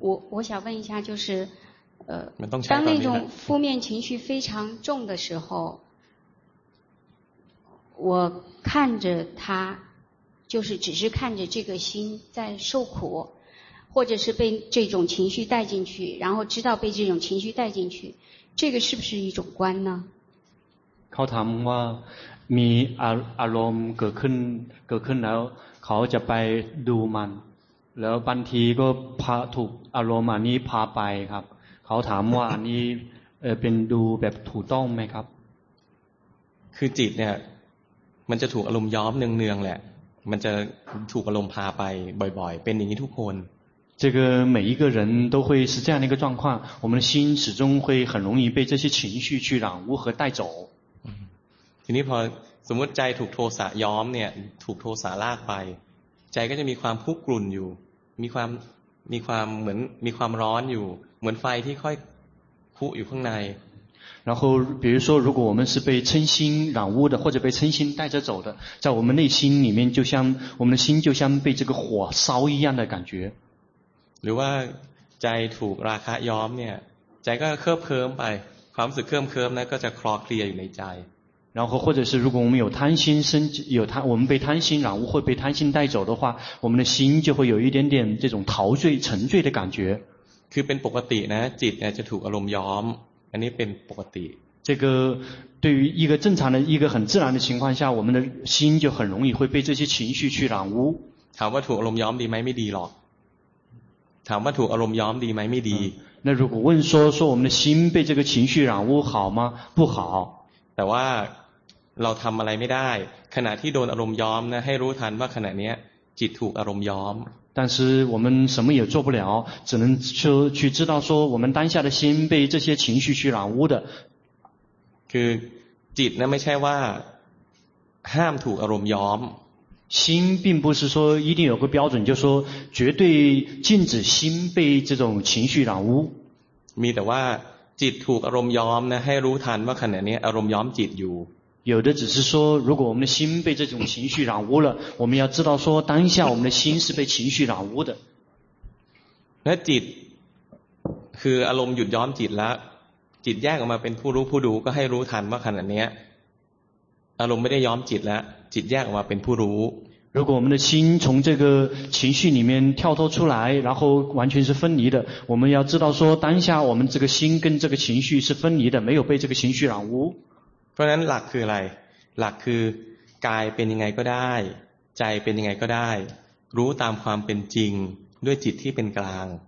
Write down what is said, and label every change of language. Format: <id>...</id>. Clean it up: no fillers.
<zh>我想问一下，就是当那种负面情绪非常重的时候，我看着他。就是只是看着这个心在受苦，或者是被这种情绪带进去，然后知道被这种情绪带进去，这个是不是一种观呢？</zh> <th>เขาถามว่ามีอารมณ์เกิดขึ้นแล้วเขาจะไปดูมันแล้วบางทีก็พาถูกอารมณ์อันนี้พาไปครับเขาถามว่าอันนี้เป็นดูแบบถูกต้องไหมครับ คือจิตเนี่ยมันจะถูกอารมณ์ย้อมเนืองๆแหละมันจะถูกอารมณ์พาไปบ่อยๆเป็นอย่างนี้ทุกคน</th> <zh>这个每一个人都会是这样的一个状况我们的心始终会很容易被这些情绪去染污和带走</zh> <th>ทีนี้พอสมมติใจถูกโทสะย้อมเนี่ยถูกโทสะลากไปใจก็จะมีความคุกรุ่นอยู่มีความเหมือนมีความร้อนอยู่เหมือนไฟที่ค่อยพุอยู่ข้างใน</th> <zh>然后比如说如果我们是被嗔心染污的或者被嗔心带着走的在我们内心里面就像我们的心就像被这个火烧一样的感觉</zh> <th>หรือว่าใจถูกราคะย้อมเนี่ยใจก็เคลิบเคลิ้มไปความรู้สึกเคลิบเคลิ้มนั้นก็จะคลอเคลียอยู่ในใจ</th> <zh>然后或者是如果我们有贪心生有贪我们被贪心染污或被贪心带走的话我们的心就会有一点点这种陶醉沉醉的感觉</zh> <th>คือเป็นปกตินะจิตเนี่ยจะถูกอารมณ์ย้อมอันนี้เป็นปกติ</th> <zh>这个对于一个正常的一个很自然的情况下我们的心就很容易会被这些情绪去染污</zh> <th>ถามว่าถูกอารมณ์ย้อมดีไหมไม่ดีหรอกถามว่าถูกอารมณ์ย้อมดีไหมไม่ดี</th> <zh>那如果问说我们的心被这个情绪染污好吗不好</zh> <th>แต่ว่าเราทำอะไรไม่ได้ขณะที่โดนอารมณ์ย้อมนะให้รู้ทันว่าขณะนี้จิตถูกอารมณ์ย้อม</th> <zh>但是我们什么也做不了，只能说去知道说我们当下的心被这些情绪去染污的。</zh> <th>คือจิตนั้นไม่ใช่ว่าห้ามถูกอารมณ์ย้อม。</th> <zh>心并不是说一定有个标准，就是说绝对禁止心被这种情绪染污。</zh> <th>มีแต่ว่าจิตถูกอารมณ์ย้อมนะให้รู้ทันว่าขณะนี้อารมณ์ย้อมจิตอยู่</th> <zh>有的只是说如果我们的心被这种情绪染污了我们要知道说当下我们的心是被情绪染污的</zh> <th>那จิตคืออารมณ์หยุดย้อมจิตแล้วจิตแยกออกมาเป็นผู้รู้ผู้ดูก็ให้รู้ทันว่าขณะนี้อารมณ์ไม่ได้ย้อมจิตแล้วจิตแยกออกมาเป็นผู้รู้</th> <zh>如果我们的心从这个情绪里面跳脱出来然后完全是分离的我们要知道说当下我们这个心跟这个情绪是分离的没有被这个情绪染污</zh> <th>เพราะนั้นหลักคืออะไรหลักคือกายเป็นยังไงก็ได้ใจเป็นยังไงก็ได้รู้ตามความเป็นจริงด้วยจิตที่เป็นกลาง</th>